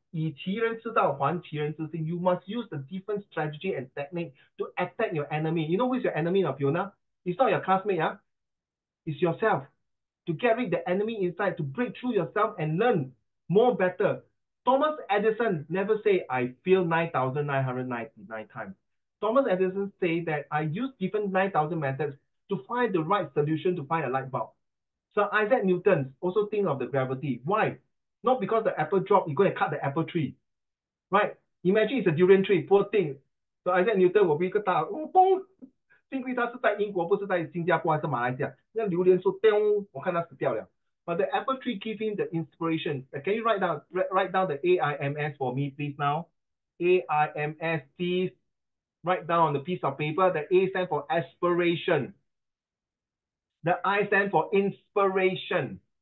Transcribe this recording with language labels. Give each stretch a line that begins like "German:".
Chinese: 以其人之道还其人之身.
English: You must use the different strategy and technique to attack your enemy. You know who is your enemy, Fiona? It's not your classmate. It's yourself. To get rid of the enemy inside, to break through yourself and learn more better. Thomas Edison never say, I failed 9,999 times. Thomas Edison said that I used different 9,000 methods to find the right solution to find a light bulb. So Isaac Newton also think of the gravity. Why? Not because the apple drop, you're going to cut the apple tree. Right? Imagine it's a durian tree, poor thing. So Isaac Newton will be cut down. Oh, boom!
Chinese: 幸亏他是在英国，不是在新加坡还是马来西亚。那榴莲树，我看他死掉了。
English: But the apple tree gives him the inspiration. Can you write down the AIMS for me, please, now? AIMS, please write down on the piece of paper. The A stands for aspiration. The I stands for inspiration.